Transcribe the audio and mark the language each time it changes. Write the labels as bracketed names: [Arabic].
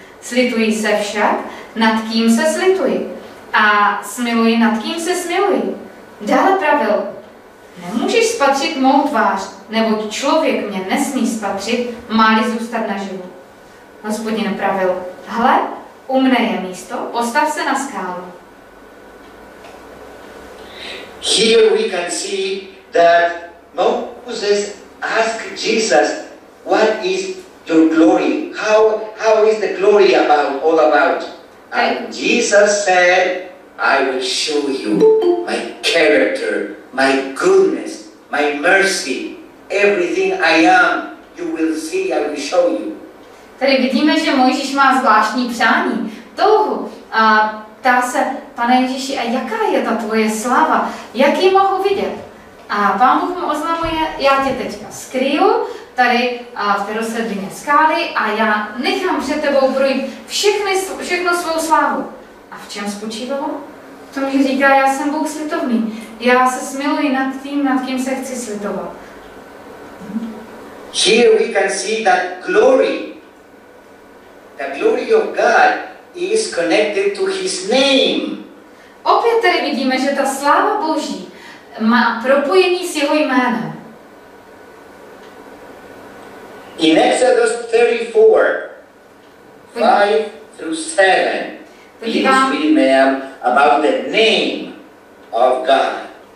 [Czech] Slituji se však, nad kým se slituji, a smiluji, nad kým se smiluji. Dále pravil, nemůžeš spatřit mou tvář, neboť člověk mě nesmí spatřit, má-li zůstat naživu. Hospodin pravil, hle, u mne je místo, postav se na skálu. [English] Here we can see that Moses asked Jesus, what is your glory? How is the glory about all about? And Jesus said, I will show you my character, my goodness, my mercy, everything I am, you will see, I will show you. [Czech] Tady vidíme, že Mojžíš má zvláštní přání. Touhu. A ptá se, pane Ježíši, a jaká je ta tvoje slava? Jak ji mohu vidět? A Pán Bůh mu oznamuje, já tě teďka skryju tady v té rozsrdině skály a já nechám před tebou projít všechno svou slávu. A v čem spočívalo? V tom, že říká, já jsem Bůh slitovný. Já se smiluji nad tím, nad kým se chci slitovat. [English] Here we can see that glory, the glory of God is connected to his name. [Czech] Opět tady vidíme, že ta sláva Boží má propojení s jeho jménem. [English] In Exodus 34, 5 through 7, please read, ma'am, about the name of God.